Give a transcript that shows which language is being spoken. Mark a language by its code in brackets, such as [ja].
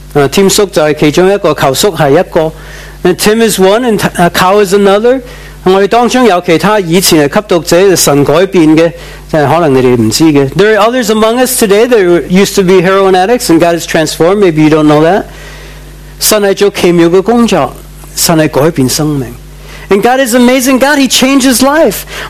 [en] Tim Suk is one, Tim is one, and Kao is another. There are others among us today that used to be heroin addicts and God has transformed. Maybe you don't know that. [zh] 神是做奇妙的工作，神是改变生命。 [en] And God is amazing God, He changes life.